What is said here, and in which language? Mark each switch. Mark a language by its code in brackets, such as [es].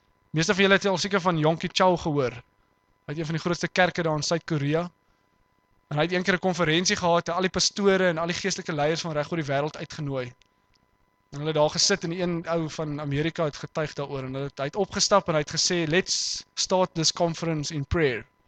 [af] Meeste van julle het al seker van Yonkee Chow gehoor. Hy het een van die grootste kerke daar in Suid-Korea. En hy het een keer 'n konferensie gehad, en al die pastore en al die geestelike leiers van reg oor die wêreld uitgenooi. En hulle het daar gesit en een ou van Amerika het getuig daaroor en hy het opgestap en hy het gesê, [en] "Let's start this conference in prayer."